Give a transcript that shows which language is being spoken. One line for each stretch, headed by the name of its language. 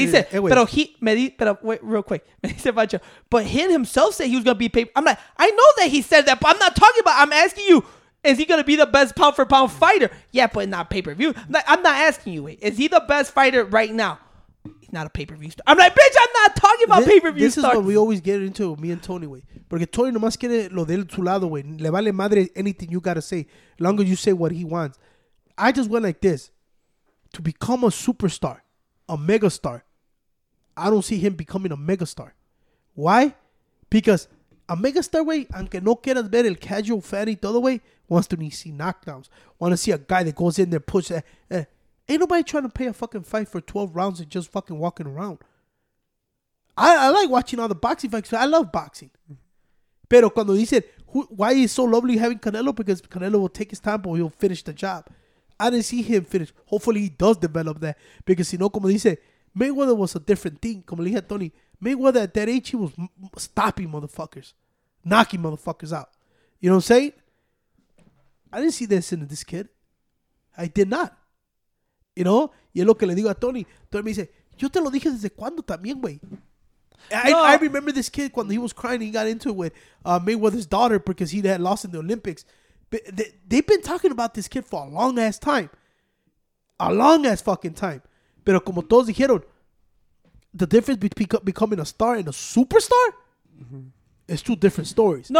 English: me said,
Spanish: pero he me di, pero
English: wait, real quick.
Spanish: Me dice Pacho,
English: but him himself said he was gonna be pay. I'm like, I know that he said that, but I'm not talking about, I'm asking you, is he gonna be the best pound for pound fighter? Yeah, but not pay-per-view. I'm not asking you, wait, is he the best fighter right now? He's not a pay-per-view star. I'm like, bitch, I'm not talking about pay-per-view star. This stars. Is what we always get into with me and Tony, wait.
Spanish: Porque Tony nomás quiere lo de él su lado, güey. Le vale madre
English: anything you gotta say. Long as you say what he wants. I just went like this. To become a superstar, a megastar, I don't see him becoming a megastar. Why? Because a megastar, güey,
Spanish: aunque no quieras ver el casual fanny todo, güey,
English: wants to see knockdowns. Want to see a guy that goes in there, push that. Ain't nobody trying to pay a fucking fight for 12 rounds and just fucking walking around. I like watching all the boxing fights. I love boxing.
Spanish: Pero cuando dicen,
English: why is it so lovely having Canelo? Because Canelo will take his time, but he'll finish the job. I didn't see him finish. Hopefully, he does develop that. Because, you know,
Spanish: como dice,
English: Mayweather was a different thing.
Spanish: Como le dije a Tony,
English: Mayweather at that age, he was stopping motherfuckers, knocking motherfuckers out. You know what I'm saying? I didn't see this in this kid. I did not. You know?
Spanish: Y es lo que le digo a Tony. Tony me dice, yo te lo dije desde cuando también, güey. No.
English: I remember this kid when he was crying. He got into it with Mayweather's daughter because he had lost in the Olympics. But they've been talking about this kid for a long ass time. A long ass fucking time.
Spanish: Pero como todos dijeron,
English: the difference between becoming a star and a superstar, mm-hmm, is two different stories.